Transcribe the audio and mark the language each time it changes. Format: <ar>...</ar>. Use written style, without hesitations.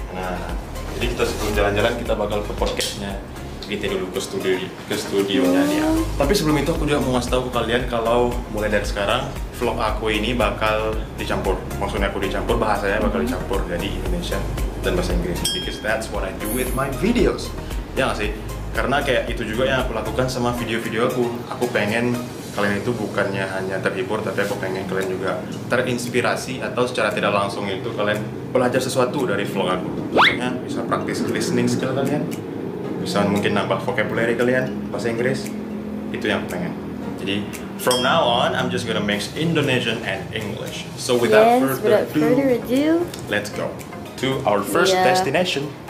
<id>Nah, jadi kita sebelum jalan-jalan kita bakal ke podcastnya. Kita dulu ke studionya dia. Tapi sebelum itu aku juga mau ngasih tahu ke kalian kalau mulai dari sekarang vlog aku ini bakal dicampur. Maksudnya aku dicampur bahasanya bakal dicampur jadi Indonesia dan bahasa Inggris.</id> <en>Because that's what I do with my videos.</en> <id>Ya gak sih? Karena kayak itu juga yang aku lakukan sama video-video aku. Aku pengen kalian itu bukannya hanya terhibur, tapi aku pengen kalian juga terinspirasi atau secara tidak langsung itu kalian belajar sesuatu dari vlog aku. Maksudnya bisa praktis listening skill kalian. Bisa mungkin nambah vocabulary kalian, bahasa Inggris. Itu yang aku pengen.</id> <en>Jadi, from now on, I'm just gonna mix Indonesian and English. So, without further ado, let's go to our first destination.</en>